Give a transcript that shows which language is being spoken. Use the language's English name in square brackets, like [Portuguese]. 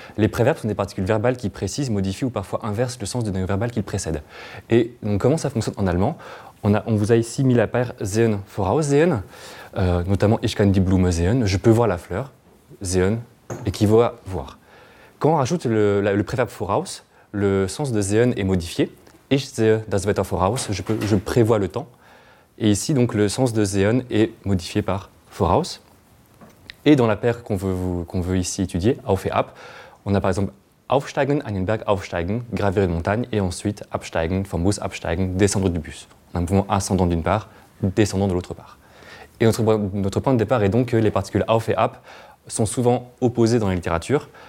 [French] Les préverbes sont des particules verbales qui précisent, modifient ou parfois inversent le sens du noyau verbal qui le précède. Et donc comment ça fonctionne en allemand? On vous a ici mis la paire sehen, voraussehen, notamment [German] ich kann die Blume sehen, [French] je peux voir la fleur, sehen, équivaut à voir. Quand on rajoute le préverbe voraus, le sens de sehen est modifié. [German] Ich sehe das Wetter voraus, [French] je prévois le temps. Et ici, donc, le sens de sehen est modifié par voraus. Et dans la paire qu'on veut ici étudier, auf et ab, on a par exemple aufsteigen, [German] einen Berg aufsteigen, [French] gravir une montagne, et ensuite absteigen, [German] vom Bus absteigen, [French] descendre du bus. En un mouvement ascendant d'une part, descendant de l'autre part. Et notre point de départ est donc que les particules auf et ab sont souvent opposées dans la littérature.